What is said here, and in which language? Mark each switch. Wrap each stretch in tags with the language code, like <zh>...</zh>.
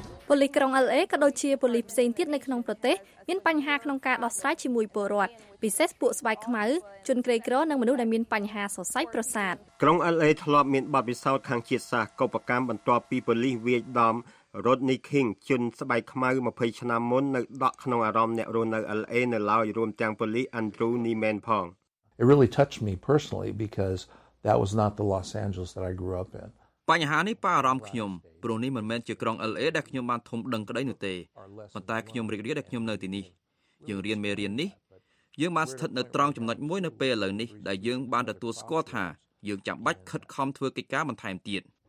<km>ប៉ូលីសក្រុង LA ក៏ដូចជាប៉ូលីសផ្សេងទៀតនៅក្នុងប្រទេសមានបញ្ហាក្នុងការដោះស្រាយជាមួយពលរដ្ឋពិសេសពួកស្បែកខ្មៅជនក្រីក្រនិងមនុស្សដែលមានបញ្ហាសរសៃប្រសាទ ក្រុង LA ធ្លាប់មានបទពិសោធន៍ខាងជាតិសាសកោបកម្មបន្ទាប់ពីប៉ូលីសវាយដំរ៉ូដនីឃីងជនស្បែកខ្មៅ20ឆ្នាំមុននៅដកក្នុងអារម្មណ៍អ្នករស់នៅ LA នៅឡើយរួមទាំងប៉ូលីសអាន់ឌ្រូនីមែនផង</km> <en>It really touched me personally because that was not the Los Angeles that I grew up in.</en> <km>បញ្ហានេះប៉ះអារម្មណ៍ខ្ញុំព្រោះនេះមិនមែនជាក្រុង LA ដែលខ្ញុំបានធំដឹងក្តីនោះទេប៉ុន្តែខ្ញុំរីករាយដែលខ្ញុំនៅទីនេះយើងរៀនមេរៀននេះយើងបានស្ថិតនៅត្រង់ចំណុចមួយនៅពេលឥឡូវនេះដែលយើងបានទទួលស្គាល់ថាយើងចាំបាច់ខិតខំធ្វើកិច្ចការបន្ថែមទៀត</km>